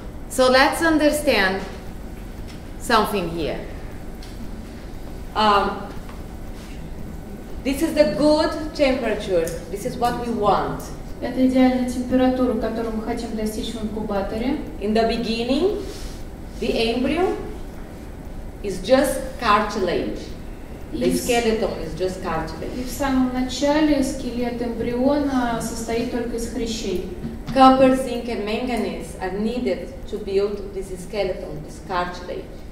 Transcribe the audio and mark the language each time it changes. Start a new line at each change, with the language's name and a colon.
English: So let's understand something here. This is the good temperature. This is what we want.
Russian: Это идеальная температура, которую мы хотим достичь в инкубаторе.
English: In the beginning, the embryo is just cartilage. The skeleton is just cartilage.
Russian: И в самом начале скелет эмбриона состоит только из хрящей.
English: Copper, zinc, and manganese are needed to build this skeleton, this cartilage.